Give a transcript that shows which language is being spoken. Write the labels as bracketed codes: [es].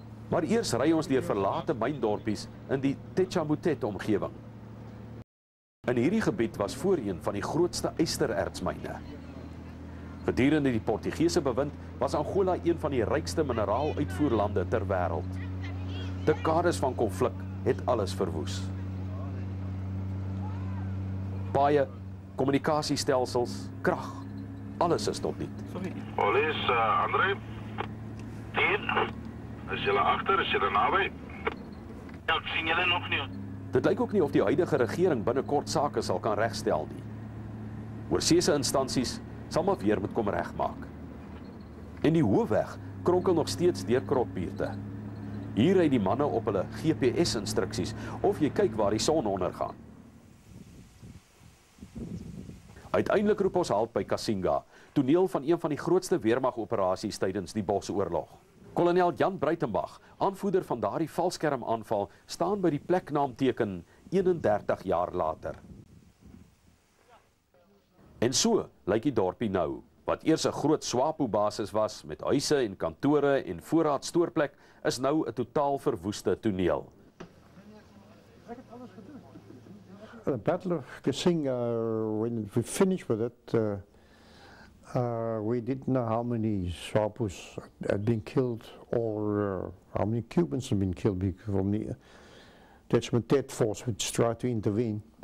[af] Maar eers ry ons deur verlate myndorpies in die Techamutete omgewing. In hierdie gebied was voorheen van die grootste ystererdsmyne. Gedurende die Portugese bewind was Angola een van die rykste mineraaluitvoerlande ter wêreld. Dekades van konflik het alles verwoes. Paaie, kommunikasiestelsels, krag, alles is tot niet. Polis, Andre. Dien. Is julle agter? Is julle naby? Ja, ek sien julle nog nie. Dit lyk ook nie of die huidige regering binnekort sake sal kan regstel nie. Oorseese instansies sal maar weer moet kom regmaak. En die hoofweg kronkel nog steeds deur kropbuurte. Hier ry die manne op hulle GPS-instruksies of jy kyk waar die son ondergaan. Uiteindelik roep ons halt by Kasinga, toneel van een van die grootste weermagoperasies tydens die Bosoorlog. Kolonel Jan Breitenberg, aanvoerder van daardie valskermaanval, staan by die pleknaamteken 31 jaar later. En so lyk die dorpie nou, wat eers 'n groot swapo-basis was met huise en kantore en voorraadstoorplek, is nou 'n totaal verwoeste toneel. [en] The Battle of Kasinga, when we finished with it, we didn't know how many Swapos had been killed or how many Cubans had been killed from the Techamutete force which tried to intervene.